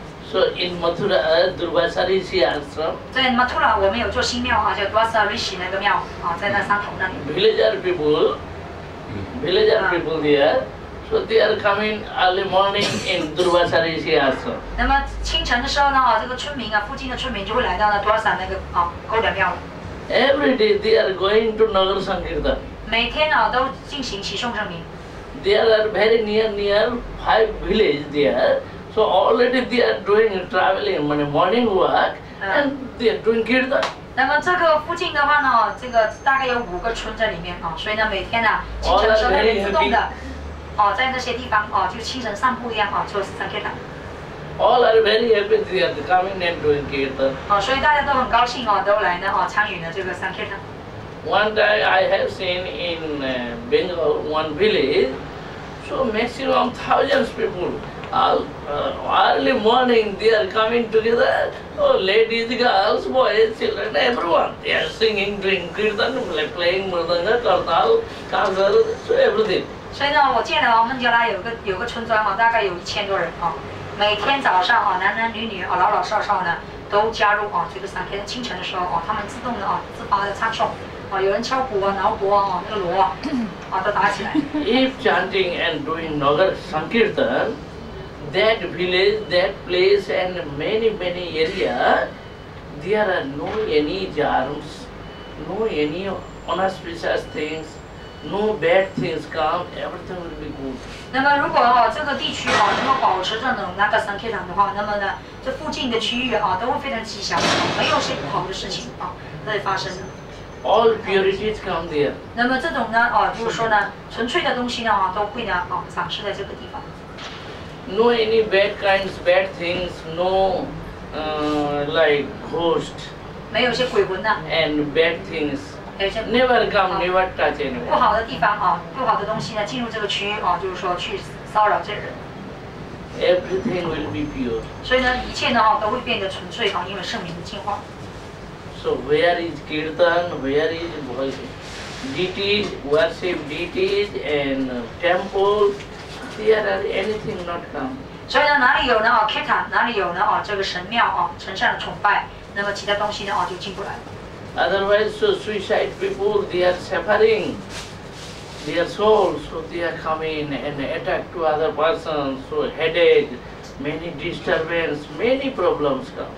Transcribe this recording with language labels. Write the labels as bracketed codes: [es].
[en] So in Mathura, Durvasa Rishi Ashram. [zh] 在 Mathura, 我们有座新庙啊，叫 Durvasa Rishi 那个庙啊，在那山头那里。 [en] Villager people there, so they are coming early morning in Durvasa Rishi Ashram. [zh] 那么清晨的时候呢，这个村民啊，附近的村民就会来到那 Durvasa 那个啊高德庙。 [en] Every day they are going to Nagar Sankirtan. [zh] 每天啊都进行启颂圣名。 [en] There are very near five villages there. So already they are doing traveling, morning work, and they are doing kirtan. [zh] 那么这个附近的话呢，这个大概有五个村在里面啊，所以呢每天呢清晨的时候，他们自动的，在那些地方就清晨散步一样做三 kirtan. [en] All are very happy. They are coming and doing kirtan. [zh] 所以大家都很高兴都来呢参与了这个三 kirtan. [en] One day I have seen in Bengal one village, so maximum thousands people. Early morning, they are coming together. Oh, ladies, girls, boys, children, everyone. They are singing, drinking, kirtan, playing mridanga, kartal, kazal, so everything. [zh] 所以呢，我见了孟加拉有个村庄大概有一千多人每天早上男男女女老老少少呢，都加入这个上天清晨的时候他们自动的自发的唱诵有人敲鼓挠钹那个锣都打起来。 [en] If chanting and doing Nagar Sankirtan. That village, that place, and many, many area, there are no any germs, no any inauspicious things, No bad things come, everything will be good. [zh] 那么如果、啊、这个地区、啊、能够保持着那个三 K 团的话，那么呢这附近的区域、啊、都会非常吉祥，没有什么不好的事情、啊、在发生。 [en] All purities come there. [zh] 那么这种呢、啊、就是说呢纯粹的东西呢、啊、都会呢、啊、展示在这个地方。 [en] No any bad kinds, bad things, no、like ghost. [zh] 没有些鬼魂呢。 [en] And bad things. Never come, never touch anyone. [zh] 不好的地方啊，不好的东西呢，进入这个区域啊，就是说去骚扰这人。 [en] Everything will be pure. [zh] 所以呢，一切呢都会变得纯粹啊，因为圣名的净化。 [en] So where is kirtan? Where is bhajan? Deities, worship deities and temple. There are anything not come. [zh] 所以呢，哪里有呢？啊 ，kirtan， 哪里有呢？啊，这个神庙啊，神像的崇拜，那么其他东西呢啊就进不来了。 [en] Otherwise, so suicide people, they are suffering their souls, so they are coming and attack to other persons, so headache, many disturbance, many problems come.